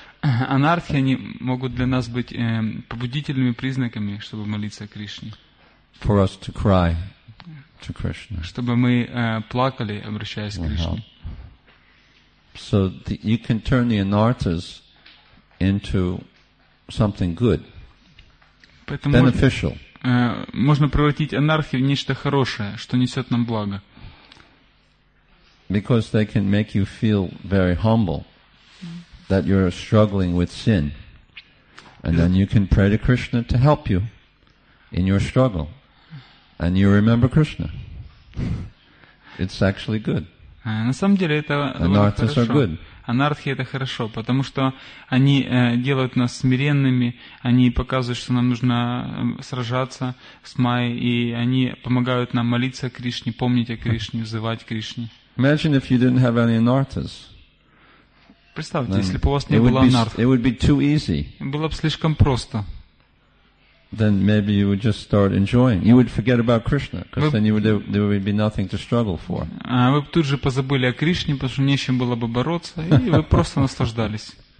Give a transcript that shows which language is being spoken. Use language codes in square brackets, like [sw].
[ru] Анархи, они могут для нас быть побудительными признаками, чтобы молиться Кришне. [en] For us to cry to Krishna. [ru] Чтобы мы плакали, обращаясь к Кришне. [en] So you can turn the anarthas into something good, [ru] поэтому [en] beneficial. [ru] Можно превратить анархи в нечто хорошее, что несет нам благо. [en] Because they can make you feel very humble, that you're struggling with sin. And then you can pray to Krishna to help you in your struggle. And you remember Krishna. It's actually good. [ru] На самом деле это [en] anarthas are good. [ru] Анархи – это хорошо, потому что они делают нас смиренными, они показывают, что нам нужно сражаться с Майей, и они помогают нам молиться о Кришне, помнить о Кришне, взывать Кришне. [en] Imagine if you didn't have any anarthas. [ru] Представьте, если бы у вас не было анарх. [en] It would be too easy. [ru] Было бы слишком просто. [en] Then maybe you would just start enjoying. You would forget about Krishna, because then you would, there would be nothing to struggle for. [ru] Вы бы тут же позабыли о Кришне, потому что не с чем было бы бороться, и вы просто наслаждались.